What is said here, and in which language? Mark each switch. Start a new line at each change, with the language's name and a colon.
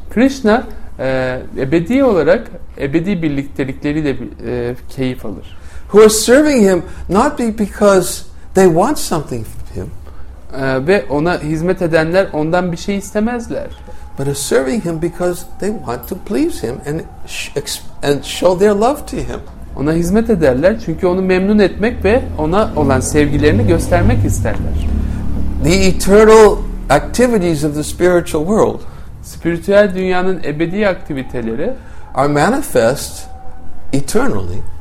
Turkish: Krishna ebedi olarak ebedi birliktelikleriyle keyif alır.
English: Who are serving him not because they want something from him.
Turkish: Ve ona hizmet edenler ondan bir şey istemezler.
English: But are serving him because they want to please him and show their love to him.
Turkish: Ona hizmet ederler çünkü onu memnun etmek ve ona olan sevgilerini göstermek isterler.
English: The eternal activities of the spiritual world.
Turkish: Spiritüel dünyanın ebedi aktiviteleri
English: are manifest eternally.